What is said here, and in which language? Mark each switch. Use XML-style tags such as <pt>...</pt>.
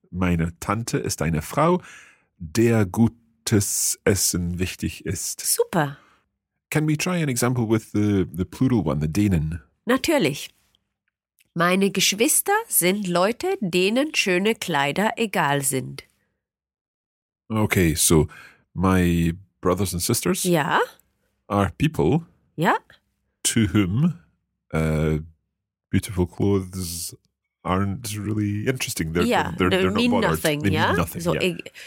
<de>Meine Tante ist eine Frau, der gutes Essen wichtig ist. Super.</de> <en>Can we try an example with the plural one, the denen?</en> <de>Natürlich. Meine Geschwister sind Leute, denen schöne Kleider egal sind.</de> <en>Okay, so my brothers and sisters are people to whom beautiful clothes aren't really interesting. They mean nothing. They mean nothing. So, yeah.</en>